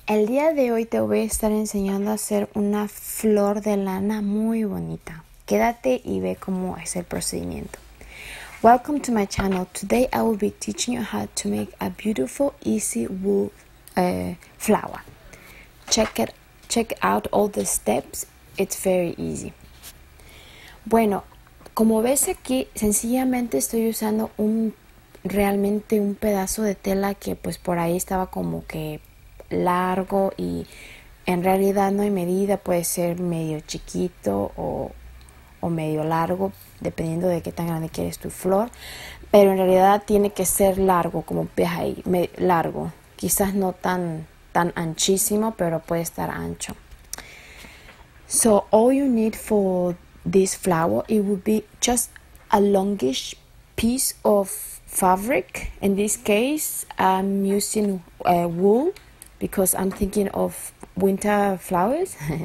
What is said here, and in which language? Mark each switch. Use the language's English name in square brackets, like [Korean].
[Spanish] El día de hoy te voy a estar enseñando a hacer una flor de lana muy bonita. Quédate y ve cómo es el procedimiento. [English] Welcome to my channel. Today I will be teaching you how to make a beautiful, easy wool flower. Check out all the steps. It's very easy. [Spanish] Bueno, como ves aquí, sencillamente estoy usando realmente un pedazo de tela que pues por ahí estaba como que largo y en realidad no hay medida, puede ser medio chiquito o medio largo, dependiendo de qué tan grande quieres tu flor, pero en realidad tiene que ser largo, como ves ahí, largo, quizás no tan anchísimo, pero puede estar ancho. [English] So all you need for this flower, it would be just a longish piece of fabric. In this case, I'm using wool because I'm thinking of winter flowers.